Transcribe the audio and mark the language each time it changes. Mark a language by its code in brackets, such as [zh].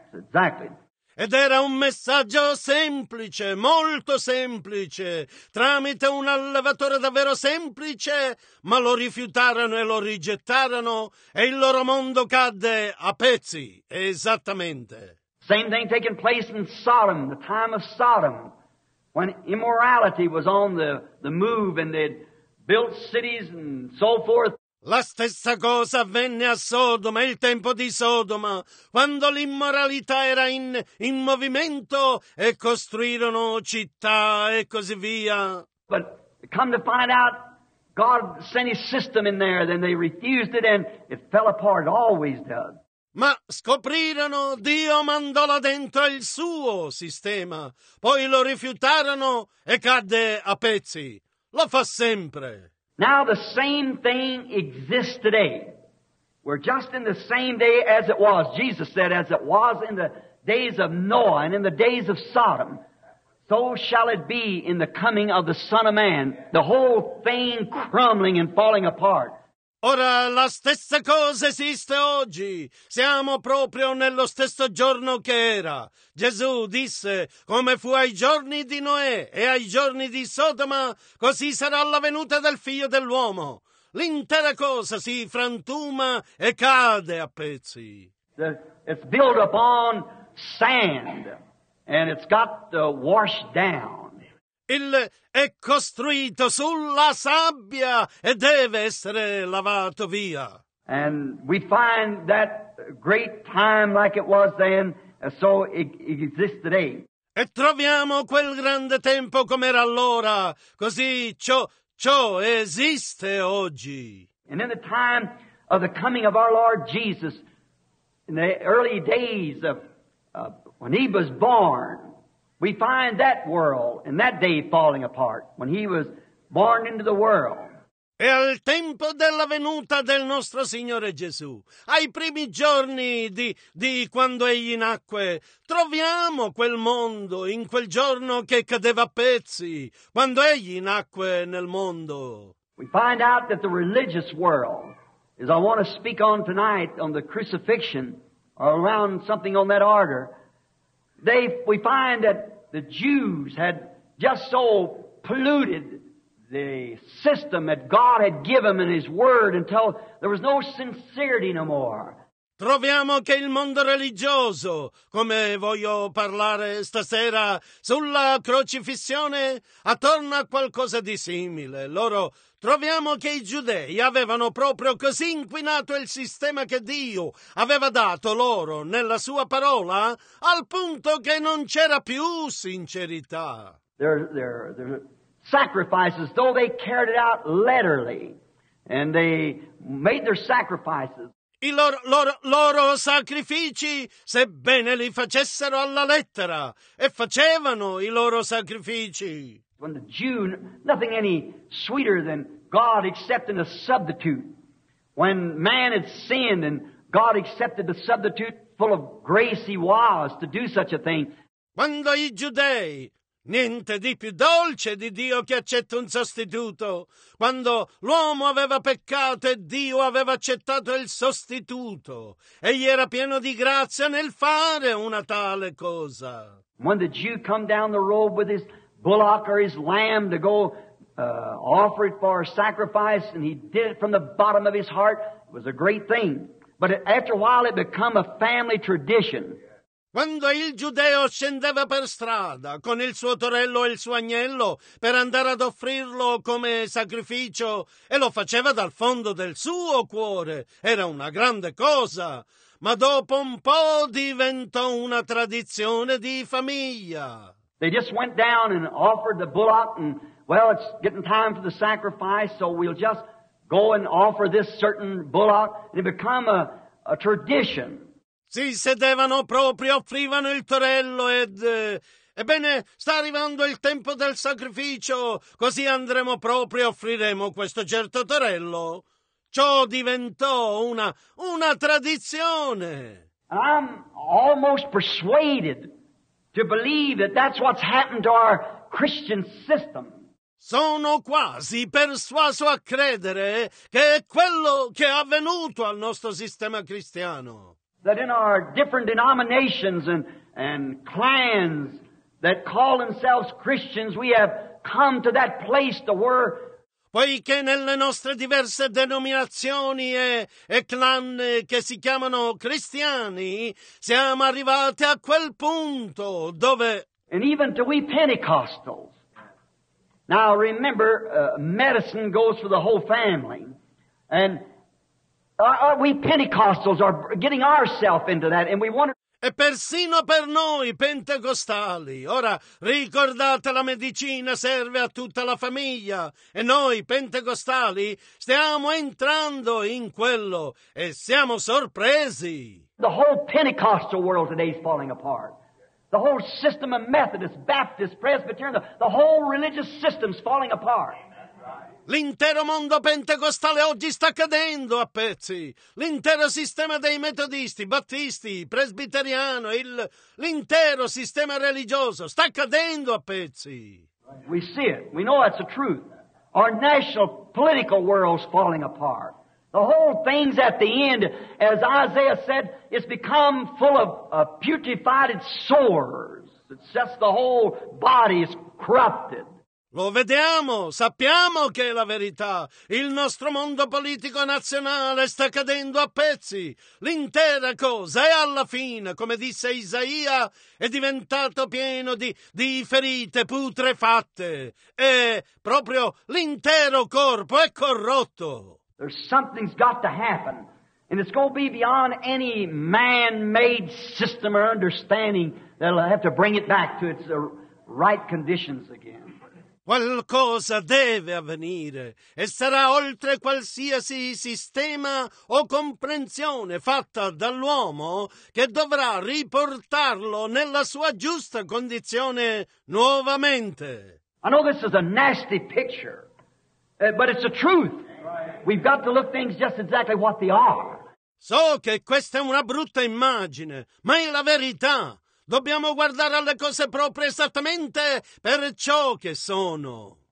[en] Exactly. [it] Ed era un messaggio semplice, molto semplice, tramite un allevatore davvero semplice, ma lo rifiutarono e lo rigettarono e il loro mondo cadde a pezzi, esattamente. [en] Same thing taking place in Sodom, the time of Sodom, when immorality was on the move and they'd built cities and so forth. [it] La stessa cosa avvenne a Sodoma, il tempo di Sodoma, quando l'immoralità era in movimento e costruirono città e così via. [en] But come to find out, God sent his system in there, then they refused it and it fell apart, always does. [it] Ma scoprirono, Dio mandò là dentro il suo sistema, poi lo rifiutarono e cadde a pezzi. Lo fa sempre. [en] Now the same thing exists today. We're just in the same day as it was. Jesus said, as it was in the days of Noah and in the days of Sodom, so shall it be in the coming of the Son of Man, the whole thing crumbling and falling apart. [it] Ora la stessa cosa esiste oggi. Siamo proprio nello stesso giorno che era. Gesù disse, come fu ai giorni di Noè e ai giorni di Sodoma, così sarà la venuta del Figlio dell'uomo. L'intera cosa si frantuma e cade a pezzi. [en] It's built upon sand and it's got to wash down. [it] Il è costruito sulla sabbia e deve essere lavato via. [en] And we find that great time like it was then, so it exists today. [it] E troviamo quel grande tempo come era allora, così ciò esiste oggi. [en] And in the time of the coming of our Lord Jesus, in the early days of when he was born, we find that world and that day falling apart when he was born into the world. [it] E al tempo della venuta del nostro Signore Gesù, ai primi giorni di quando egli nacque, troviamo quel mondo in quel giorno che cadeva a pezzi quando egli nacque nel mondo. [en] We find out that the religious world, as I want to speak on tonight on the crucifixion or around something on that order, we find that the Jews had just so polluted the system that God had given in his word until there was no sincerity no more. [it] Troviamo che il mondo religioso, come voglio parlare stasera sulla crocifissione, attorno a qualcosa di simile. Loro troviamo che i giudei avevano proprio così inquinato il sistema che Dio aveva dato loro nella sua parola, al punto che non c'era più sincerità. [en] Their sacrifices, though they carried it out literally, and they made their sacrifices. [it] I loro sacrifici, sebbene li facessero alla lettera, e facevano i loro sacrifici. [en] When the Jew, nothing any sweeter than God accepting a substitute. When man had sinned and God accepted the substitute, full of grace he was to do such a thing. [it] Quando i giudei Niente di più dolce di Dio che accetta un sostituto. Quando l'uomo aveva peccato e Dio aveva accettato il sostituto, egli era pieno di grazia nel fare una tale cosa. [en] When the Jew come down the road with his bullock or his lamb to go offer it for a sacrifice, and he did it from the bottom of his heart, it was a great thing. But after a while it became a family tradition. [it] Quando il giudeo scendeva per strada con il suo torello e il suo agnello per andare ad offrirlo come sacrificio, e lo faceva dal fondo del suo cuore, era una grande cosa. Ma dopo un po' diventò una tradizione di famiglia. [en] They just went down and offered the bullock, and well, it's getting time for the sacrifice, so we'll just go and offer this certain bullock, and it became a tradition. [it] Si sedevano proprio, offrivano il torello ed... Ebbene, sta arrivando il tempo del sacrificio, così andremo proprio e offriremo questo certo torello. Ciò diventò una tradizione. [en] I'm almost persuaded to believe that that's what's happened to our Christian system. [it] Sono quasi persuaso a credere che è quello che è avvenuto al nostro sistema cristiano. [en] That in our different denominations and clans that call themselves Christians, we have come to that place to where... [it] Poiché nelle nostre diverse denominazioni e clan che si chiamano cristiani, siamo arrivati a quel punto dove... [en] And even to we Pentecostals. Now remember, medicine goes for the whole family. And... we Pentecostals are getting ourselves into that, and we want to... [it] E persino per noi pentecostali. Ora ricordate, la medicina serve a tutta la famiglia, e noi pentecostali stiamo entrando in quello e siamo sorpresi. [en] The whole Pentecostal world today is falling apart. The whole system of Methodist, Baptist, Presbyterian, the whole religious system is falling apart. [it] L'intero mondo pentecostale oggi sta cadendo a pezzi. L'intero sistema dei metodisti, battisti, presbiteriano, l'intero sistema religioso sta cadendo a pezzi. [en] We see it. We know that's the truth. Our national political world is falling apart. The whole thing's at the end, as Isaiah said, it's become full of putrefied sores. It's just the whole body is corrupted. [it] Lo vediamo, sappiamo che è la verità. Il nostro mondo politico nazionale sta cadendo a pezzi. L'intera cosa è alla fine, come disse Isaia, è diventato pieno di ferite putrefatte. E proprio l'intero corpo è corrotto. [en] There's something's got to happen. And it's going to be beyond any man-made system or understanding that'll have to bring it back to its right conditions again. [it] Qualcosa deve avvenire e sarà oltre qualsiasi sistema o comprensione fatta dall'uomo che dovrà riportarlo nella sua giusta condizione nuovamente. [en] I know this is a nasty picture, but it's the truth. We've got to look things just exactly what they are. [it] So che questa è una brutta immagine, ma è la verità. Dobbiamo guardare alle cose proprio esattamente per ciò che sono.